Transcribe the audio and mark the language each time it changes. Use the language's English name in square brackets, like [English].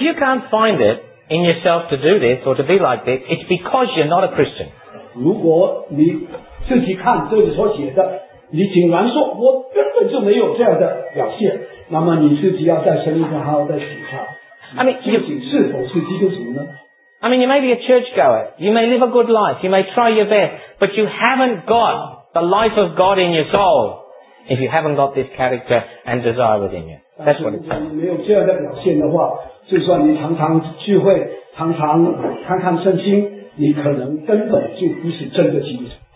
[English] you can't find it in yourself to do this or to be like this, it's because you're not a Christian. [Chinese] 如果你自己看这里所写的，你竟然说我根本就没有这样的表现，那么你自己要在神里面好好的检查。 [English] I mean, you may be a churchgoer, you may live a good life, you may try your best, but you haven't got the life of God in your soul if you haven't got this character and desire within you. That's what it's saying.